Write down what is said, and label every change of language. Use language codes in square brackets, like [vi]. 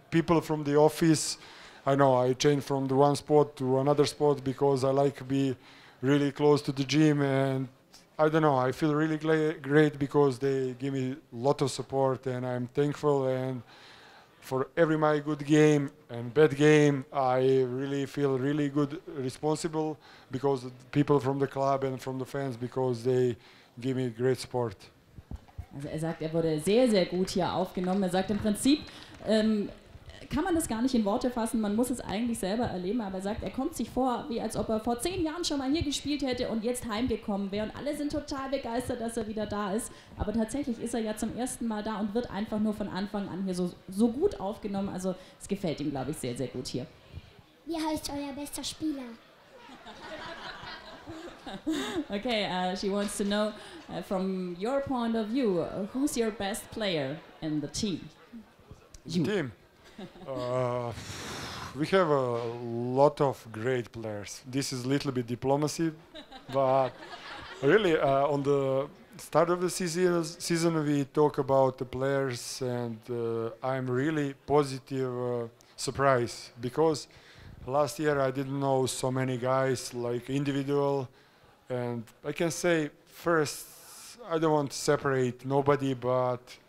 [en] People from the office, I know I changed from the one spot to another spot because I like to be really close to the gym and I don't know, I feel really great because they give me a lot of support and I'm thankful and for every my good game and bad game, I really feel really good responsible because the people from the club and from the fans, because they give me great support. [de] Also er sagt, er wurde sehr, sehr gut hier aufgenommen. Er sagt im Prinzip, kann man das gar nicht in Worte fassen, man muss es eigentlich selber erleben, aber er sagt, er kommt sich vor, wie als ob er vor 10 Jahren schon mal hier gespielt hätte und jetzt heimgekommen wäre und alle sind total begeistert, dass er wieder da ist, aber tatsächlich ist er ja zum ersten Mal da und wird einfach nur von Anfang an hier so gut aufgenommen, also es gefällt ihm, glaube ich, sehr, sehr gut hier. Wie heißt euer bester Spieler? [en] Okay, she wants to know, from your point of view, who's your best player in the team? You. Team. We have a lot of great players. This is a little bit diplomacy, but really, on the start of the season, we talk about the players, and I'm really positive surprise because last year I didn't know so many guys like individual, and I can say first I don't want to separate nobody, but